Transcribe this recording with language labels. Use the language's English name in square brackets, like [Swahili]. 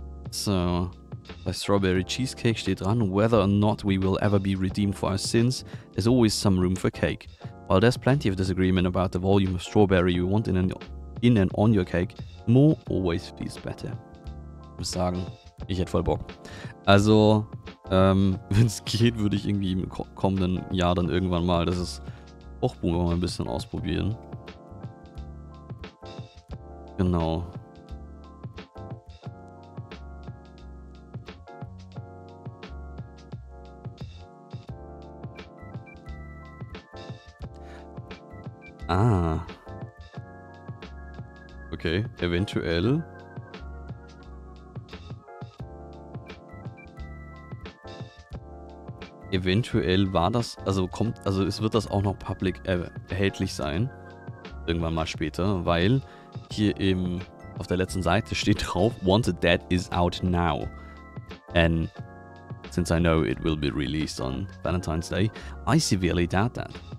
[English] So. By Strawberry Cheesecake [German] steht dran, [English] whether or not we will ever be redeemed for our sins, there's always some room for cake. While there's plenty of disagreement about the volume of strawberry you want in and on your cake, more always feels better. [German] Ich muss sagen, ich hätte voll Bock. Also, wenn es geht, würde ich irgendwie im kommenden Jahr dann irgendwann mal das Kochbuch mal ein bisschen ausprobieren. Genau. Ah. Okay, eventuell. Eventuell war das, also kommt, also es wird das auch noch public erhältlich sein. Irgendwann mal später, weil hier eben auf der letzten Seite steht drauf, [English] Wanted Dead is out now. And since I know it will be released on Valentine's Day, I severely doubt that.